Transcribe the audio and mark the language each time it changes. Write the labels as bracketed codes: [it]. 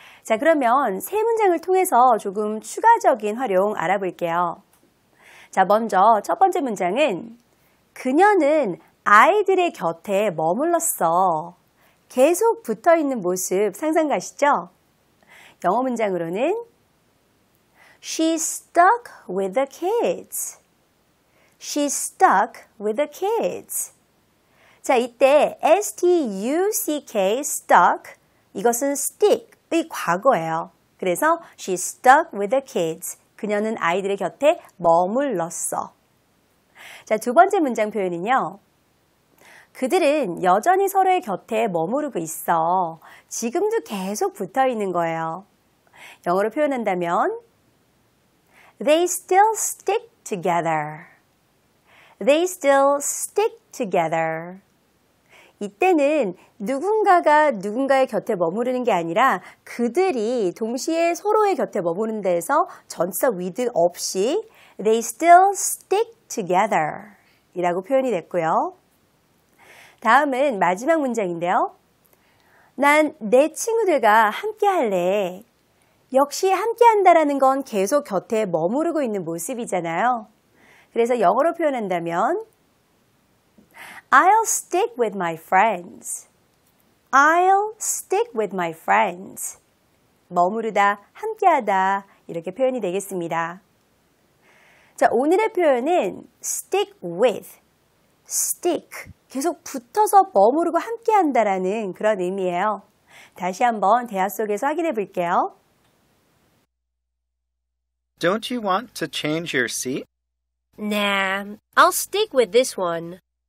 [ko] 자, 그러면 세 문장을 통해서 조금 추가적인 활용 알아볼게요. 자, 먼저 첫 번째 문장은 그녀는 아이들의 곁에 머물렀어. 계속 붙어 있는 모습 상상 가시죠? 영어 문장으로는 [en] She stuck with the kids. She stuck with the kids. [ko] 자, 이때 S-T-U-C-K, stuck, 이것은 stick의 과거예요. 그래서 [en] she stuck with the kids. [ko] 그녀는 아이들의 곁에 머물렀어. 자, 두 번째 문장 표현은요. 그들은 여전히 서로의 곁에 머무르고 있어. 지금도 계속 붙어 있는 거예요. 영어로 표현한다면 [en] They still stick together. They still stick together. [ko] 이때는 누군가가 누군가의 곁에 머무르는 게 아니라 그들이 동시에 서로의 곁에 머무르는 데에서 전치사 with 없이 [en] They still stick together [ko] 이라고 표현이 됐고요. 다음은 마지막 문장인데요. 난 내 친구들과 함께 할래. 역시 함께 한다라는 건 계속 곁에 머무르고 있는 모습이잖아요. 그래서 영어로 표현한다면 [en] I'll stick with my friends. I'll stick with my friends. [ko] 머무르다, 함께하다 이렇게 표현이 되겠습니다. 자, 오늘의 표현은 stick with, stick, 계속 붙어서 머무르고 함께한다라는 그런 의미예요. 다시 한번 대화 속에서 확인해 볼게요. [en] Don't you want to change your seat? Nah, I'll stick with this one.